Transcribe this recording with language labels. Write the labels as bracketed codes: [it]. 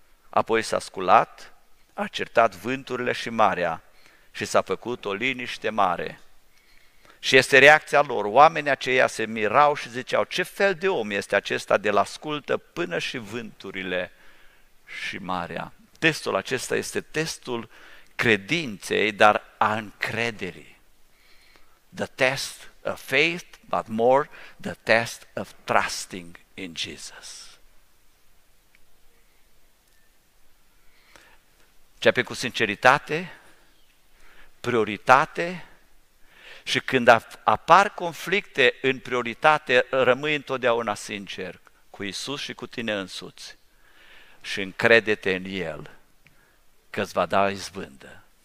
[ro] Apoi s-a sculat, a certat vânturile și marea și s-a făcut o liniște mare. Și este reacția lor, oamenii aceia se mirau și ziceau: Ce fel de om este acesta de-l ascultă până și vânturile și marea? Testul acesta este testul credinței, dar a încrederii. [en] The test of faith, but more the test of trusting in Jesus. [ro] Începe cu sinceritate, prioritate și când apar conflicte în prioritate, rămâi întotdeauna sincer cu Iisus și cu tine însuți și încrede-te în El, că îți va da izbândă.